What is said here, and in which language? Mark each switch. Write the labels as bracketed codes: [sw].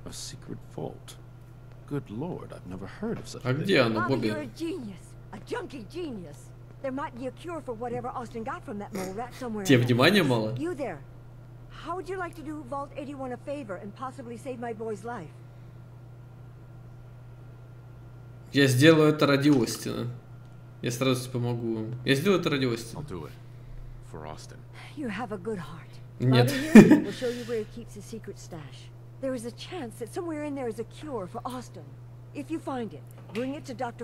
[en] A secret vault. Good lord, I've never heard of such a thing. Bobby, you're a genius. A junky genius. There might be a cure for whatever Austin got from that mole rat somewhere. [ru] Тебе внимание мало? [en] You there. How would you like to do Vault 81 a favor and possibly save my boy's life? [ru] Я сделаю это ради Остина. Я сразу тебе помогу. Я сделаю это ради Остина. [en] I'll do it. For Austin. You have a good heart. [ru] Нет. [en] We'll show you where he keeps his secret stash. There is a chance that somewhere in there is a cure for Austin. If you find it, bring it to Dr.